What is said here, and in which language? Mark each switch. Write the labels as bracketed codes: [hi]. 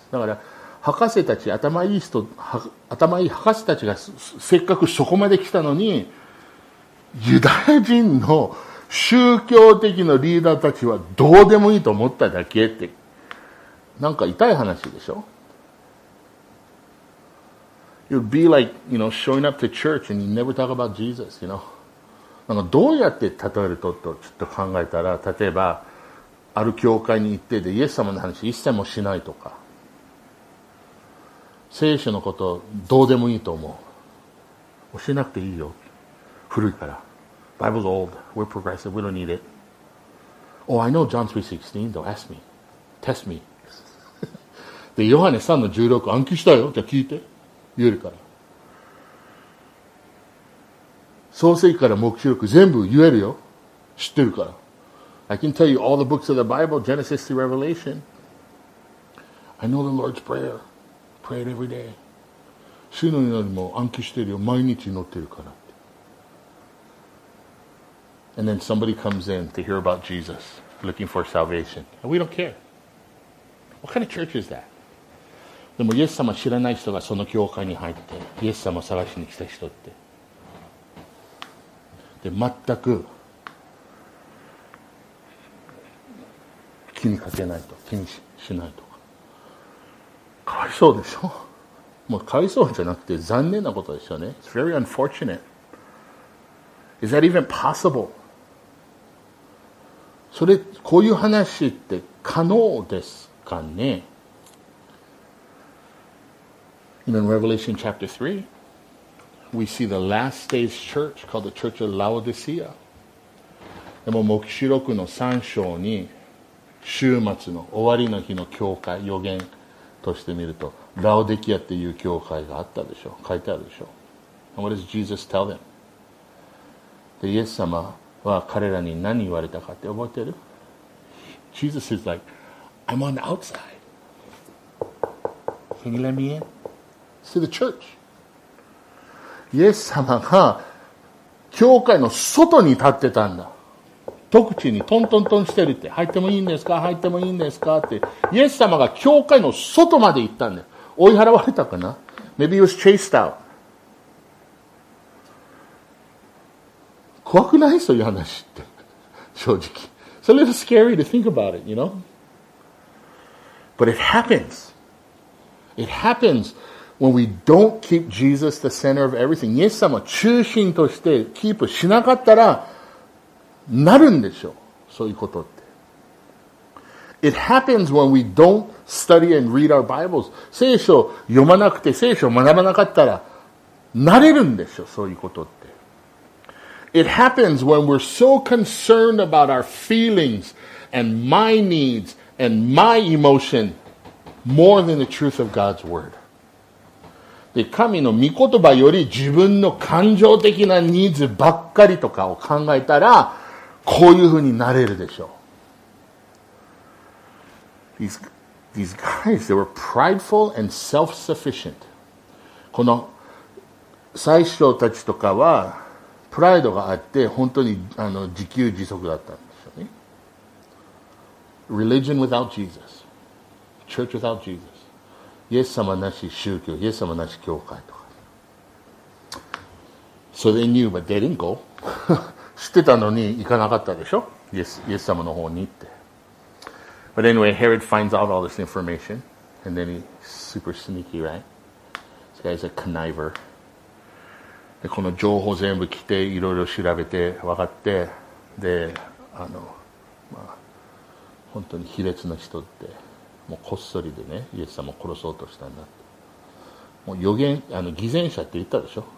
[ja] だから博士たち、頭いい博士たちがせっかくそこまで来たのに、ユダヤ人の宗教的なリーダーたちはどうでもいいと思っただけって、なんか痛い話でしょ。 [en] You'd be like, you know, showing up to church and you never talk about Jesus, you know. [ja] なんかどうやって例えるととちょっと考えたら、例えばある教会に行ってでイエス様の話一切もしないとか、聖書のことどうでもいいと思う、教えなくていいよ、古いから、 [en] Bible's old, we're progressive, we don't need it. Oh, I know John 3:16 though, ask me, test me. [ja] でヨハネ3の16暗記したよ、じゃあ聞いて、言えるから、創世記から黙示録全部言えるよ、知ってるから。 [en] I can tell you all the books of the Bible, Genesis to Revelation. I know the Lord's Prayer. Pray it every day. [ja] 主の祈りも暗記してるよ、毎日祈ってるからって。 [en] And then somebody comes in to hear about Jesus, looking for salvation. And we don't care. What kind of church is that? [ja] でもイエス様知らない人がその教会に入って、イエス様探しに来た人って。で全く気にかけないと、気にしないとか、かわいそうでしょ。もうかわいそうじゃなくて残念なことですよね。 [en] It's very unfortunate. Is that even possible? [ja] それこういう話って可能ですかね。 [en] In Revelation chapter 3We see the last day's church called the Church of Laodicea. [ja] でも黙示録の3章に週末の終わりの日の教会予言として見ると、ラオデキアっていう教会があったでしょ。書いてあるでしょ。 [en] And what does Jesus tell them? [ja] で、イエス様は彼らに何言われたかって覚えてる? [en] Jesus is like, I'm on the outside. Can you let me in? See the church. [ja] イエス様が教会の外に立ってたんだ。特地にトントントンしてるって、入ってもいいんですか、入ってもいいんですかって、イエス様が教会の外まで行ったんだよ。追い払われたかな。 [en] Maybe he was chased out. [ja] 怖くない？そういう話って。正直 [en] It's a little scary to think about it, you know. But it happens. It happensWhen we don't keep Jesus the center of everything, [ja] イエス様を中心としてキープしなかったらなるんでしょう。そういうことって。 [en] It happens when we don't study and read our Bibles. [ja] 聖書を読まなくて聖書を学ばなかったらなれるんでしょう。そういうことって。 [en] It happens when we're so concerned about our feelings and my needs and my emotion more than the truth of God's Word. [ja] で神の御言葉より自分の感情的なニーズばっかりとかを考えたら、こういう風になれるでしょう。 [en] These guys, they were prideful and self-sufficient. [ja] この最初たちとかは、プライドがあって、本当に自給自足だったんですよね。 [en] Religion without Jesus. Church without Jesus. [ja] イエス様なし宗教、イエス様なし教会とか。 [en] So they knew, but they didn't go. [ja] 知ってたのに行かなかったでしょ？イエス様の方にって。 [en] But anyway, Herod finds out all this information, and then he's super sneaky, right? This guy's a conniver. [ja] で、この情報全部来て、いろいろ調べて、分かって、で、本当に卑劣な人って。もうこっそりでね、イエス様を殺そうとしたんだって。もう予言、偽善者って言ったでしょ。